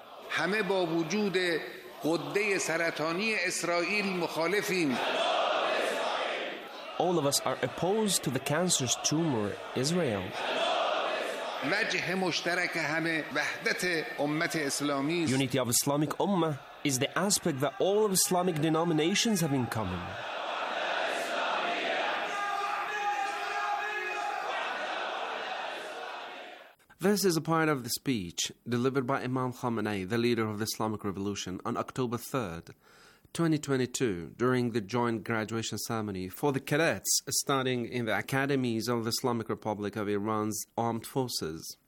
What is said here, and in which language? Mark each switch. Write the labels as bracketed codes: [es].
[fa] همه با وجود قده سرطانی اسرائیل مخالفیم. [en] All of us are opposed to the cancer's tumor, Israel. [fa] وجه مشترک همه وحدت امت اسلامی. [en] Unity of Islamic Ummah is the aspect that all of Islamic denominations have in common. This is a part of the speech delivered by Imam Khamenei, the leader of the Islamic Revolution, on October 3rd, 2022, during the joint graduation ceremony for the cadets studying in the academies of the Islamic Republic of Iran's armed forces.